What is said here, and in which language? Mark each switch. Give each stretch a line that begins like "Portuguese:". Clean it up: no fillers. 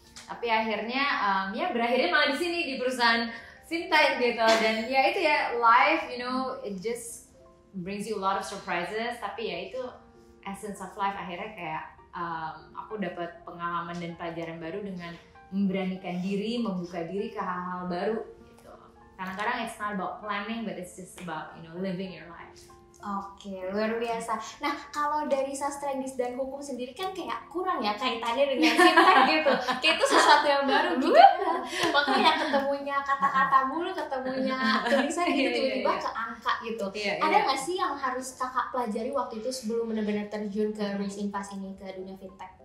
Indonesian: Tapi akhirnya ya berakhirnya malah di sini di perusahaan fintech gitu. Dan ya itu ya
English: life, you know, it just brings you a lot of surprises.
Indonesian: Tapi ya itu
English: essence of life.
Indonesian: Akhirnya kayak aku dapat pengalaman dan pelajaran baru dengan memberanikan diri, membuka diri ke hal-hal baru gitu. Kadang-kadang
English: it's not about planning but it's just about, you know, living your life.
Indonesian: Oke, luar biasa. Nah, kalau dari sastra Inggris dan hukum sendiri kan kayak kurang ya kaitannya dengan fintech gitu. Kayak itu sesuatu yang baru juga. Makanya ketemunya kata-kata mulu, ketemunya tulisan gitu, tiba-tiba ke angka gitu. Ada nggak sih yang harus kakak pelajari waktu itu sebelum benar-benar terjun ke Race in Fast ini, ke dunia fintech?